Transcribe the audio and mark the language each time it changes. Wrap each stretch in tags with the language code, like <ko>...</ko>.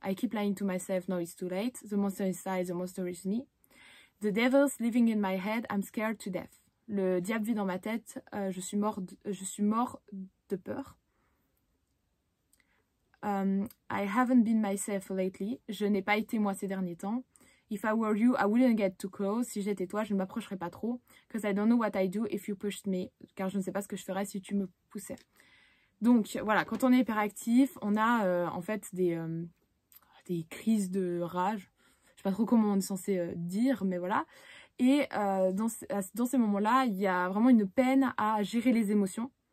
<en>I keep lying to myself, now it's too late. The monster inside, the monster is me. The devil's living in my head, I'm scared to death.</en> <fr>Le diable vit dans ma tête, je suis mort de peur.</fr> <en>I haven't been myself lately.</en> <fr>Je n'ai pas été moi ces derniers temps.</fr> <en>If I were you, I wouldn't get too close.</en> <fr>Si j'étais toi, je ne m'approcherais pas trop.</fr> <en>Because I don't know what I'd do if you pushed me.</en> <fr>Car je ne sais pas ce que je ferais si tu me poussais. Donc voilà, quand on est hyperactif, on a en fait des crises de rage. Je sais pas trop comment on est censé dire, mais voilà. Et dans ces moments-là, il y a vraiment une peine à gérer les émotions.</fr>